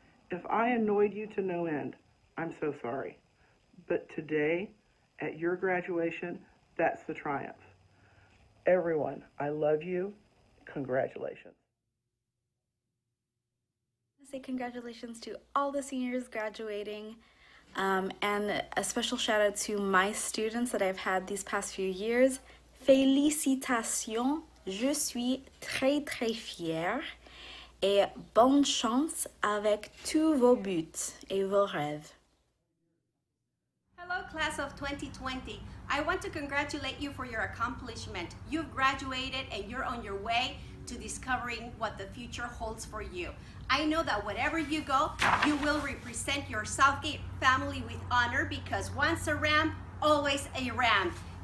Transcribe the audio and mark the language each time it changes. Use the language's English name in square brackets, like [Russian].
[English] If I annoyed you to no end, I'm so sorry. But today, at your graduation, that's the triumph. Everyone, I love you. Congratulations. I want to say congratulations to all the seniors graduating. And a special shout out to my students that I've had these past few years. [French] Félicitations, je suis très très fière et bonne chance avec tous vos buts et vos rêves. [English] Hello class of 2020. I want to congratulate you for your accomplishment. You've graduated and you're on your way to discovering what the future holds for you. I know that wherever you go, you will represent your Southgate family with honor because once a Ram, always a Ram.